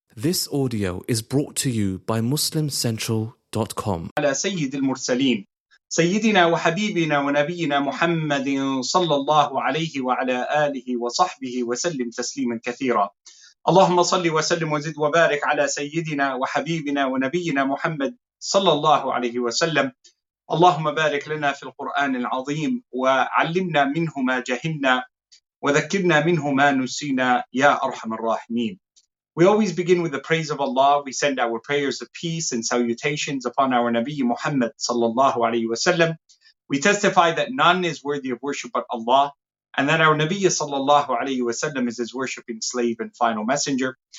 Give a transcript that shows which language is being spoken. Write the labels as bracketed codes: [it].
[en] This audio is brought to you by MuslimCentral.com. [ar] على سيد المرسلين سيدنا وحبيبنا ونبينا محمد صلى الله عليه وعلى آله وصحبه وسلم تسليما كثيرا. اللهم صل وسلم وزد وبارك على سيدنا وحبيبنا ونبينا محمد صلى الله عليه وسلم. اللهم بارك لنا في القرآن العظيم وعلمنا منه ما جهلنا وذكرنا منه ما نسينا يا أرحم الراحمين. [en] We always begin with the praise of Allah. We send our prayers of peace and salutations upon our Nabi Muhammad sallallahu alayhi wa sallam. We testify that none is worthy of worship but Allah, and that our Nabi sallallahu alayhi wa sallam is his worshiping slave and final messenger.